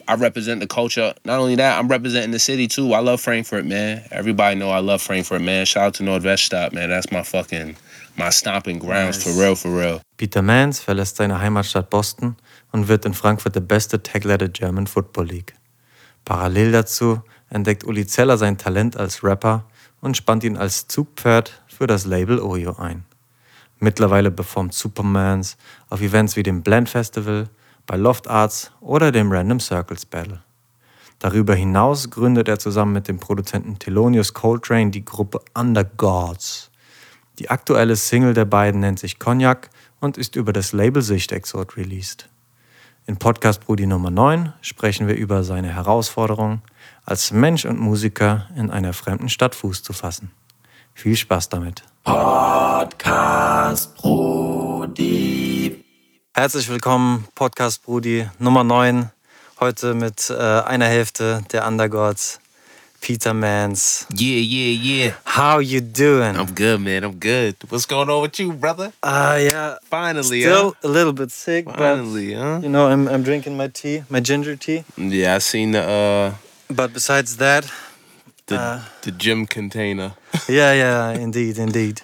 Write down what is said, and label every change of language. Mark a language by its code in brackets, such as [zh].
[en] I represent the culture. Not only that, I'm representing the city too. I love Frankfurt, man. Everybody know I love Frankfurt, man. Shout out to Nordweststadt, man. That's my stomping grounds, nice. for real. [de] Peter Manz verlässt seine Heimatstadt Boston und wird in Frankfurt der beste Tackler der German Football League. Parallel dazu entdeckt Uli Zeller sein Talent als Rapper und spannt ihn als Zugpferd für das Label Oyo ein. Mittlerweile performt Supermans auf Events wie dem Blend Festival, bei Loft Arts oder dem Random Circles Battle. Darüber hinaus gründet er zusammen mit dem Produzenten Thelonious Coltrane die Gruppe Under Gods. Die aktuelle Single der beiden nennt sich Cognac und ist über das Label Sichtexort released. In Podcast Brudi Nummer 9 sprechen wir über seine Herausforderung, als Mensch und Musiker in einer fremden Stadt Fuß zu fassen. Viel Spaß damit. Podcast Brudi. Herzlich willkommen, Podcast Brudi Nummer 9. Heute mit einer Hälfte der Undergods, Peter Manz. [en] Yeah. How you doing? I'm good, man. I'm good. What's going on with you, brother? Finally, still a little bit sick, finally, but you know, I'm drinking my tea, my ginger tea. Yeah, I seen the... But besides that... The gym container. yeah, indeed.